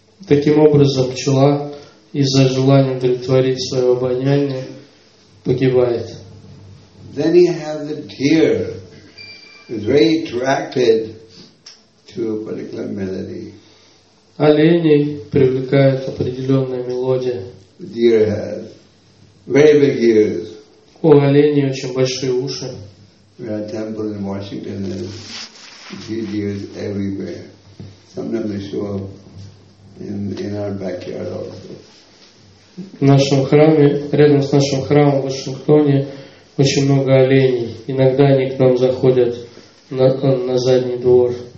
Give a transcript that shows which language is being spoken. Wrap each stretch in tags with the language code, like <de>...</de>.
<ru>Таким образом, пчела из-за желания удовлетворить свое обоняние погибает.</ru> <en>Then you have the deer, very attracted to a particular melody.</en> <ru>Оленей привлекает определенная мелодия.</ru> <en>Deer has very big ears.</en> <ru>У оленей очень большие уши.</ru> <en>There are temples in Washington and deer ears everywhere. Sometimes they show up in our backyard also.</en> <ru>В нашем храме, рядом с нашим храмом в Вашингтоне, очень много оленей. Иногда они к нам заходят на задний двор.</ru>